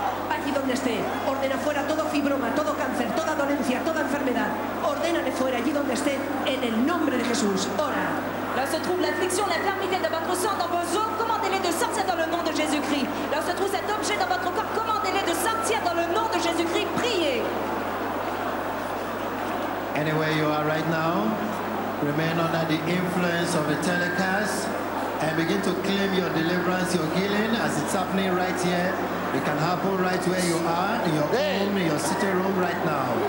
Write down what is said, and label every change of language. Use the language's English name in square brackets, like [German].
[Spanish] Allí donde esté, ordena fuera todo fibroma, todo cáncer, toda dolencia, toda enfermedad. Ordénale fuera allí donde esté, en el nombre de Jesús. Ora. [French] Là se trouve l'affliction, l'infirmité de votre sang dans vos os, commandez-le de sortir dans le nom de Jésus-Christ. Là se trouve cet objet dans votre corps, commandez-le de sortir dans le nom de Jésus-Christ. Priez. [English] Anywhere you are right now, remain under the influence of the telecast and begin to claim your deliverance, your healing, as it's happening right here. It can happen right where you are, in your home, in your sitting room right now.